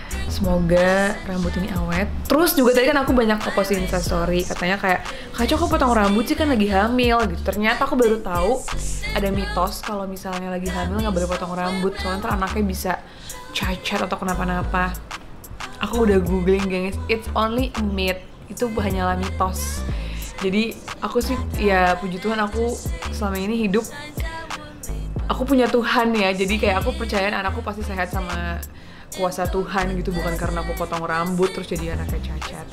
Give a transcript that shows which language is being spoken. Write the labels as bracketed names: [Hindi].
[Indonesian] Semoga rambut ini awet. Terus juga tadi kan aku banyak nge-post instastory, katanya kayak, Kak Cok, kok potong rambut sih, kan lagi hamil gitu. Ternyata aku baru tahu ada mitos kalau misalnya lagi hamil nggak boleh potong rambut, soalnya ntar anaknya bisa cacat atau kenapa-napa. Aku udah googling, gengs, [English] it's only a myth. [Indonesian] Itu hanyalah mitos. Jadi aku sih, ya puji Tuhan, aku selama ini hidup aku punya Tuhan ya. Jadi kayak aku percayain anakku pasti sehat sama kuasa Tuhan gitu, bukan karena aku potong rambut terus jadi anaknya cacat.